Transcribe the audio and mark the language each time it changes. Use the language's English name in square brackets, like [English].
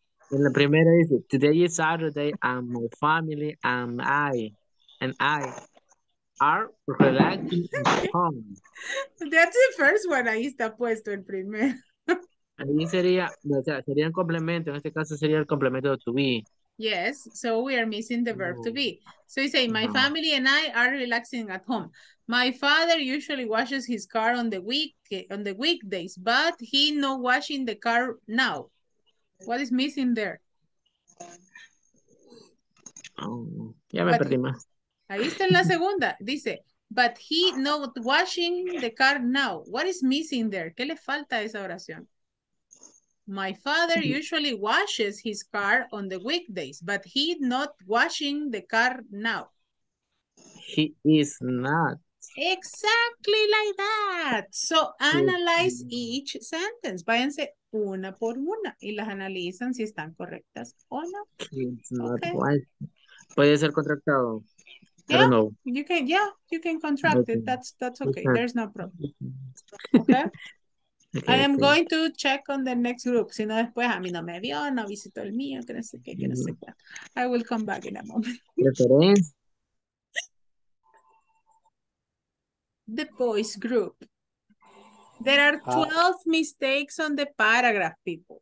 [Spanish] En la primera dice, [English] today is Saturday and my family and I are relaxing at home. That's the first one, [Spanish] ahí está puesto el primero. Ahí sería, o sea, sería un complemento, en este caso sería el complemento to be. [English] Yes, so we are missing the verb to be. So you say, my family and I are relaxing at home. My father usually washes his car on the weekdays, but he no washing the car now. What is missing there? [Spanish] Ya me perdí más. Ahí está en la segunda. [English] Dice, but he not washing the car now. What is missing there? [Spanish] ¿Qué le falta a esa oración? [English] My father usually washes his car on the weekdays, but he not washing the car now. He is not. Exactly like that. So analyze each sentence. [Spanish] Váyanse una por una y las analizan si están correctas o no. Okay. Puede ser contractado. [English] Yeah, I don't know. You can contract it. That's okay. There's no problem. Okay. I am going to check on the next group. [Spanish] Si no después a mí no me vio, no visitó el mío, que no sé qué, que no sé qué. [English] I will come back in a moment. The boys group. There are 12 mistakes on the paragraph, people.